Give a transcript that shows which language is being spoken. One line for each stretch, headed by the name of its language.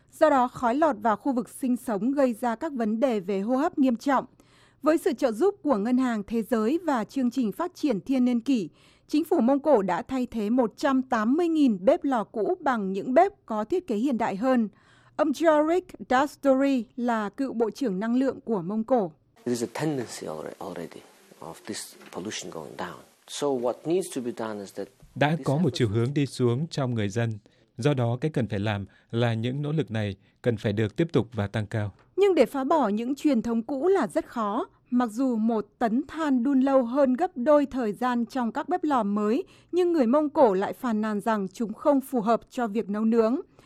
Vietnamese: Do đó, khói lọt vào khu vực sinh sống gây ra các vấn đề về hô hấp nghiêm trọng. Với sự trợ giúp của Ngân hàng Thế giới và Chương trình Phát triển Thiên Niên Kỷ, chính phủ Mông Cổ đã thay thế 180.000 bếp lò cũ bằng những bếp có thiết kế hiện đại hơn. Ông Jorik Dastori là cựu Bộ trưởng Năng lượng của Mông Cổ.
English: There is a tendency already of this pollution going down. So what needs to be done is that
Vietnamese: đã có một chiều hướng đi xuống trong người dân. Do đó, cái cần phải làm là những nỗ lực này cần phải được tiếp tục và tăng cao. Nhưng để phá bỏ những truyền thống cũ là rất khó. Mặc dù một tấn than đun lâu hơn gấp đôi thời gian trong các bếp lò mới, nhưng người Mông Cổ lại phàn nàn rằng chúng không phù hợp cho việc nấu nướng.